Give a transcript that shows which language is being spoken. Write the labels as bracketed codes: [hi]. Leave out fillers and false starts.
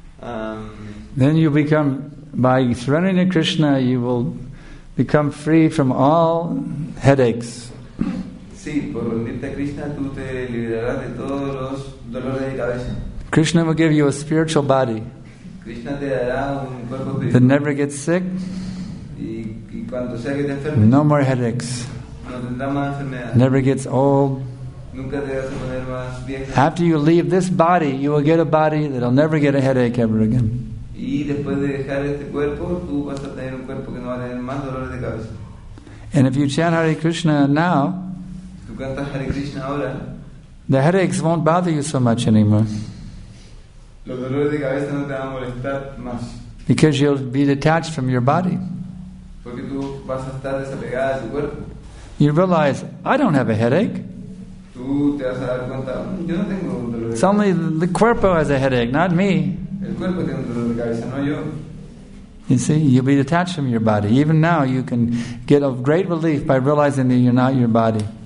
[en] Then you become, by surrendering to Krishna, you will become free from all headaches. [es] Sí, por rendirte a Krishna, tú te liberarás de todos los dolores de cabeza. [en] Krishna will give you a spiritual body. [es] Krishna te dará un cuerpo espiritual. [en] That never gets sick. [es] Y cuando sea que te enfermes. [en] No more headaches. [es] No tendrá más enfermedad. [en] Never gets old. [es] Nunca te vas a poner más vieja. [en] After you leave this body, you will get a body that will never get a headache ever again. [es] Y después de dejar este cuerpo, tú vas a tener un cuerpo que no va a tener más dolores de cabeza. [en] And if you chant Hare Krishna now, [es] tú cantas Hare Krishna ahora, [en] the headaches won't bother you so much anymore. [es] Los dolores de cabeza no te van a molestar más. [en] Because you'll be detached from your body. [es] Porque tú vas a estar desapegada de tu cuerpo. [en] You realize, I don't have a headache. [es] Tú te vas a dar cuenta, yo no tengo un dolor de cabeza. [en] Only the cuerpo has a headache, not me. [es] El cuerpo tiene un dolor de cabeza, no yo. [en] You see, you'll be detached from your body. Even now, you can get a great relief by realizing that you're not your body.